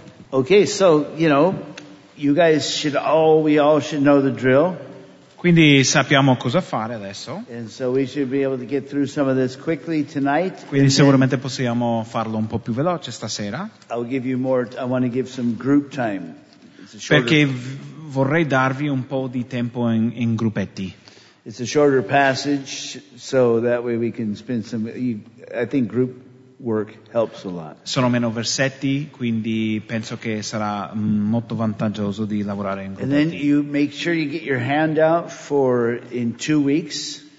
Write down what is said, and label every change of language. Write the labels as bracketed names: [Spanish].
[English] Okay, so, you know, you guys should all, we all should know the drill. [Italian] Quindi sappiamo cosa fare adesso. [English] And so we should be able to get through some of this quickly tonight. [Italian] Quindi sicuramente possiamo farlo un po' più veloce stasera. [English] I'll give you more, I want to give some group time. [Italian] Perché vorrei darvi un po' di tempo in gruppetti. [English] It's a shorter passage, so that way we can spend some, I think group work helps a lot. [Italian] Sono meno versetti, quindi penso che sarà molto vantaggioso di lavorare in gruppetti. [English] And then you make sure you get your hand out for in 2 weeks.